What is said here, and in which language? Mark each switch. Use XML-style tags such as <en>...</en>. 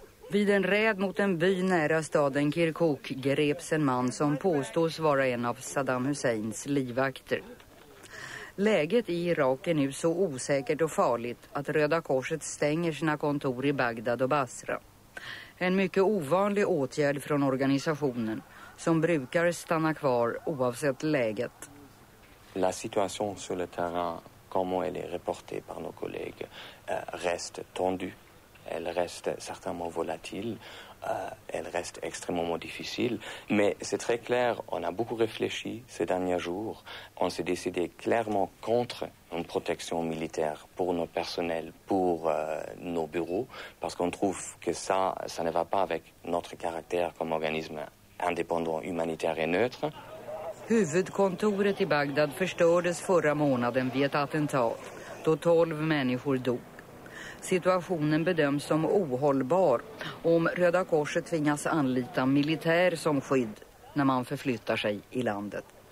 <sv>Vid en räd mot en by nära staden Kirkuk greps en man som påstås vara en av Saddam Husseins livvakter. Läget i Irak är nu så osäkert och farligt att Röda korset stänger sina kontor i Bagdad och Basra. En mycket ovanlig åtgärd från organisationen som brukar stanna kvar oavsett läget.</sv> <fr>La situation sur le terrain, comme elle est rapportée par nos collègues, reste tendue. Elle reste certainement volatile. Elle reste extrêmement difficile. Mais c'est très clair, on a beaucoup réfléchi ces derniers jours. On s'est décidé clairement contre une protection militaire pour nos personnels, pour nos bureaux, parce qu'on trouve que ça ne va pas avec notre caractère comme organisme indépendant, humanitaire et neutre.</fr> <sv>Huvudkontoret i Bagdad förstördes förra månaden vid ett attentat då 12 människor dog. Situationen bedöms som ohållbar om Röda korset tvingas anlita militär som skydd när man förflyttar sig i landet.</sv>